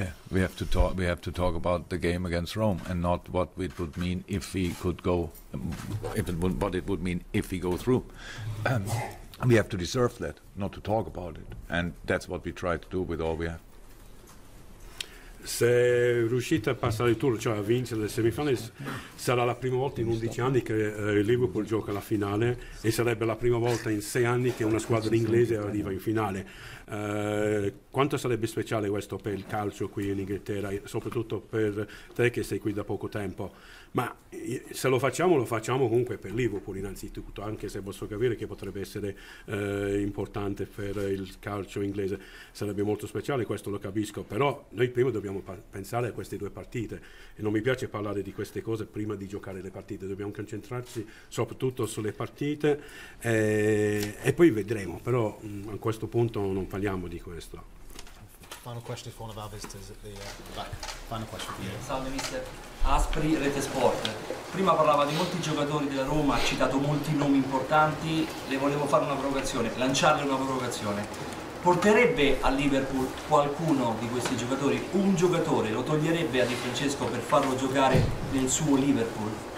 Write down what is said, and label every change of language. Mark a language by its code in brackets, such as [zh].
[en] We have to talk about the game against Rome and not what it would mean if we could go, what it would mean if we go through. We have to deserve that, not to talk about it. And that's what we try to do with all we have. [it] Se riuscite a passare il turno, cioè a vincere le semifinali, sarà la prima volta in 11 anni che il Liverpool gioca la finale e sarebbe la prima volta in 6 anni che una squadra inglese arriva in finale. Quanto sarebbe speciale questo per il calcio qui in Inghilterra, soprattutto per te che sei qui da poco tempo? Ma se lo facciamo, lo facciamo comunque per Liverpool innanzitutto, anche se posso capire che potrebbe essere importante per il calcio inglese, sarebbe molto speciale, questo lo capisco, però noi prima dobbiamo pensare a queste due partite e non mi piace parlare di queste cose prima di giocare le partite, dobbiamo concentrarci soprattutto sulle partite e poi vedremo, però a questo punto non parliamo di questo. [en] Final question for one of our visitors at the back. Final question for you. [it] Salve mister. Aspri, Rete Sport. Prima parlava di molti giocatori della Roma, ha citato molti nomi importanti. Le volevo fare una provocazione, lanciarle una provocazione. Porterebbe a Liverpool qualcuno di questi giocatori? Un giocatore lo toglierebbe a Di Francesco per farlo giocare nel suo Liverpool?